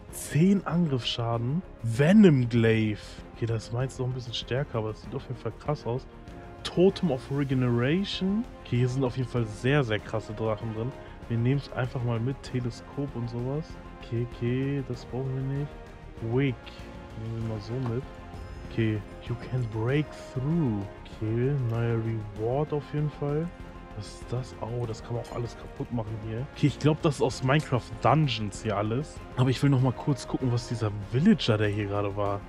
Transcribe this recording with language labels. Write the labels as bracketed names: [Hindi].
[German] 10 Angriffsschaden. Venom Glaive. Okay, das meint noch ein bisschen stärker, aber es sieht auf jeden Fall krass aus. Totem of Regeneration. Okay, hier sind auf jeden Fall sehr, sehr krasse Drachen drin. Wir nehmen es einfach mal mit. Teleskop und sowas. Okay, das brauchen wir nicht. Wick. Nehmen wir mal so mit. [English] Okay, you can break through. [German] Okay, neuer Reward auf jeden Fall. Was ist das? Oh, das kann man auch alles kaputt machen hier. Okay, ich glaube, das ist aus Minecraft Dungeons hier alles. Aber ich will noch mal kurz gucken, was dieser Villager, der hier gerade war.